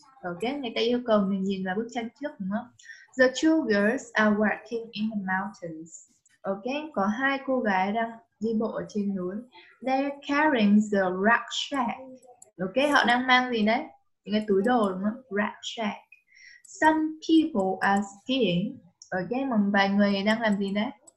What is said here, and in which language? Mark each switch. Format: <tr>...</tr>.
<vi>Okay, người ta yêu cầu mình nhìn vào bức tranh trước đúng không?</vi> <en>The two girls are walking in the mountains.</en> <vi>Okay, có hai cô gái đang đi bộ ở trên núi.</vi> <en>They're carrying the rucksack.</en> <vi>Okay, họ đang mang gì đấy? Những cái túi đồ đúng không? Rucksack.</vi> <en>Some people are skiing.</en> <vi>Okay, một vài người đang làm gì đấy?</vi>